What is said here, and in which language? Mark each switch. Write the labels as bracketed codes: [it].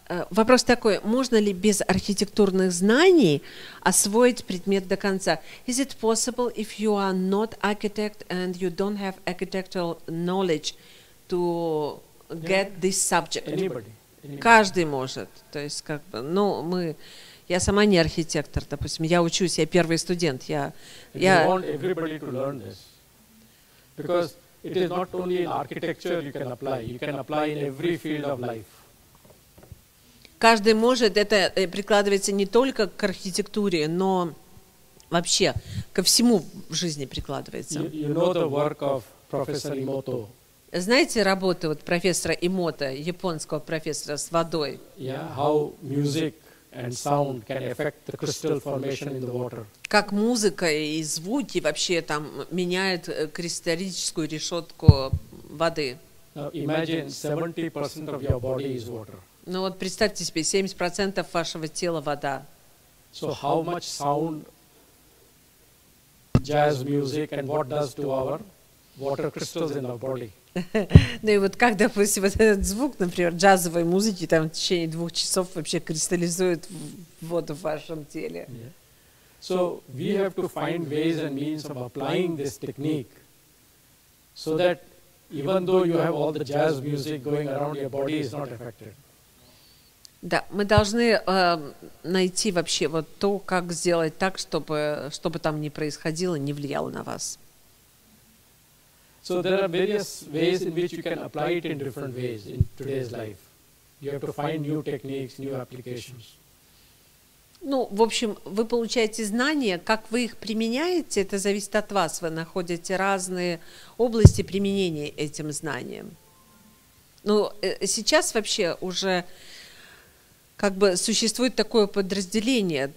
[ru] Вопрос такой, можно ли без архитектурных знаний освоить предмет до конца? [en] Is it possible if you are not architect and you don't have architectural knowledge to get this subject? Anybody. [ru] Каждый может. То есть, как бы, ну, мы, я сама не архитектор, допустим, я учусь, я первый студент. [en] You want everybody to learn this. Because it is not only in architecture you can apply. You can apply in every field of life. [ru] Каждый может, это прикладывается не только к архитектуре, но вообще ко всему в жизни прикладывается. [en] You know the work of Professor Emoto. [ru] Знаете работу вот профессора Эмото, японского профессора с водой? [en] Yeah, how music and sound can affect the crystal formation in the water. [ru] Как музыка и звуки вообще там меняют кристаллическую решетку воды. [en] Now imagine 70% of your body is water. [ru] Ну вот представьте себе, 70% вашего тела вода. [en] So how much sound, jazz music and what does to our water crystals in our body? [ru] Ну и вот как, допустим, вот этот звук, например, джазовой музыки, там в течение 2 часов вообще кристаллизует воду в вашем теле. [en] So we have to find ways and means of applying this technique so that even though you have all the jazz music going around, your body is not affected. [ru] Да, мы должны найти вообще вот то, как сделать так, чтобы там ни происходило, не влияло на вас. [en] So there are various ways in which you can apply it in different ways in today's life. You have to find new techniques, new applications. [ru] Ну, в общем, вы получаете знания, как вы их применяете, это зависит от вас. Вы находите разные области применения этим знаниям. Ну, сейчас вообще уже как бы существует такое подразделение.